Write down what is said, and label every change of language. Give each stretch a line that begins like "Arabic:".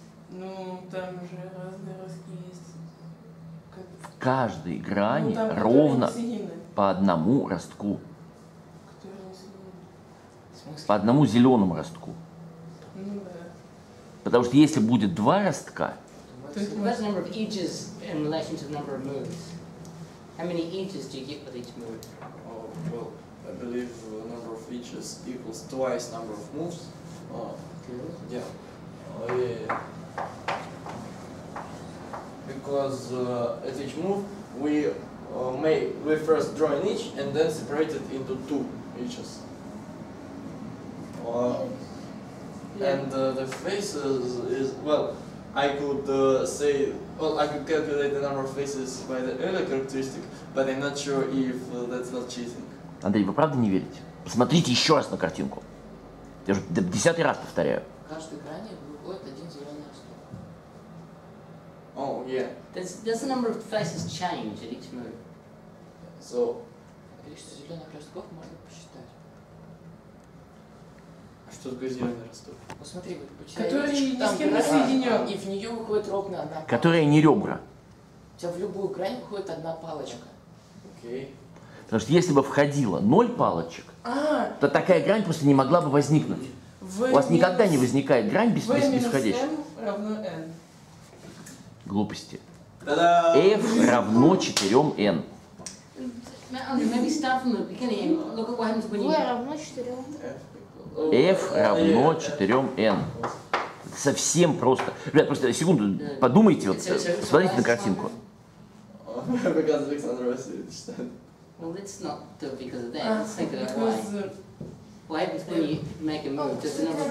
Russian: Ну, там же разные ростки есть. В каждой грани ровно по одному ростку. Которые не соединены. По одному зеленому ростку. Ну да. Потому что если будет два ростка,
English: what's the number of edges in relation to the number of moves? How many edges do you get with each move? I believe the number of edges equals twice number of moves. Good. Yeah. Because at each move, we first draw an edge and then separate it into two edges. Yes. And the face is well. I could I could calculate the number of faces by the Euler characteristic, but I'm not sure if that's not cheating.
Russian: Андрей, вы правда не верите? Посмотрите еще раз на картинку. Я уже десятый раз повторяю. Каждой грани выходит один зеленый росток.
English: Oh, yeah. Does the number of faces change at each move? So...
Russian: Количество зеленых ростков можно посчитать. Что такое зеленый росток? Посмотри, вот Которые ни с кем не соединены, и в нее выходит ровно одна палочка. Которая не ребра. У тебя в любую грань выходит одна палочка. Окей. Потому что если бы входило ноль палочек, то такая грань просто не могла бы возникнуть. У вас никогда не возникает грань без входящих. V минус M равно N. Глупости. Та-дам! F равно 4 N.
English: Maybe start from the beginning. Look at what happens when you...
Russian: V равно 4 N. F равно 4N. Совсем просто. Ребят, просто секунду, подумайте, вот, смотрите на картинку. Показывает Александр Васильевич.
English: Well, let's not do it because of that. Let's think about why. Why when you make a move, just another...